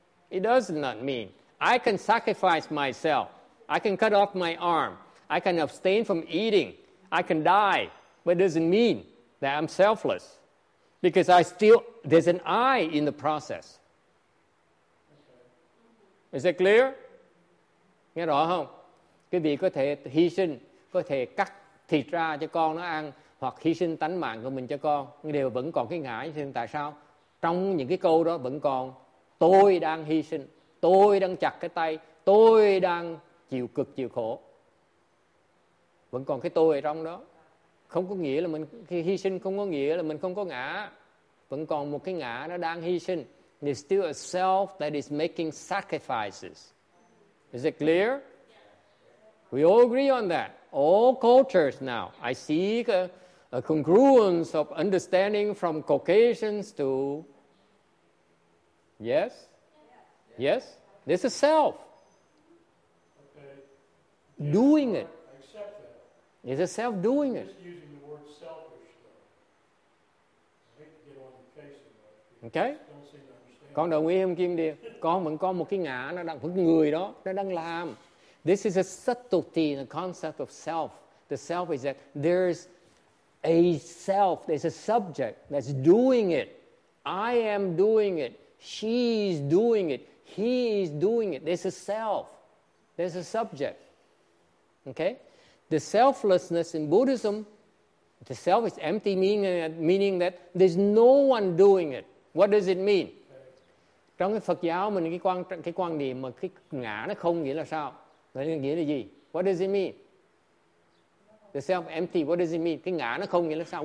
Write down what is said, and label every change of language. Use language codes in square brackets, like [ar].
[en] It does not mean. I can sacrifice myself. I can cut off my arm. I can abstain from eating. I can die. But it doesn't mean that I'm selfless. Because I still, there's an I in the process. Is that clear? [vi] Nghe rõ không? Quý vị có thể hy sinh, có thể cắt thịt ra cho con nó ăn, hoặc hy sinh tánh mạng của mình cho con, đều vẫn còn cái ngã. Thì tại sao trong những cái câu đó vẫn còn tôi đang hy sinh, tôi đang chặt cái tay, tôi đang chịu cực chịu khổ, vẫn còn cái tôi ở trong đó. Không có nghĩa là mình khi hy sinh, không có nghĩa là mình không có ngã, vẫn còn một cái ngã nó đang hy sinh. [en] There's still a self that is making sacrifices. Is it clear? We all agree on that. All cultures now, I see a congruence of understanding from Caucasians to, yes? Yes? There's a self. Okay. Doing it. Accept that. It's a self doing it. I'm just using the word selfish, though. I hate to get on the case of that. Okay? I don't seem to understand. [vi] Con đồng ý không Kim Điền? Con vẫn có một cái ngã, nó đang vẫn người đó, nó đang làm. [en] This is a subtlety in the concept of self. The self is that there's a self, there's a subject that's doing it. I am doing it. She is doing it. He is doing it. There's a self. There's a subject. Okay? The selflessness in Buddhism, the self is empty, meaning that there's no one doing it. What does it mean? [vi] Trong cái Phật giáo mình, cái quan điểm mà cái ngã nó không nghĩa là sao? Nghĩa là gì? [en] What does it mean? The self empty. What does it mean? [vi] Cái ngã nó không nghĩa là sao?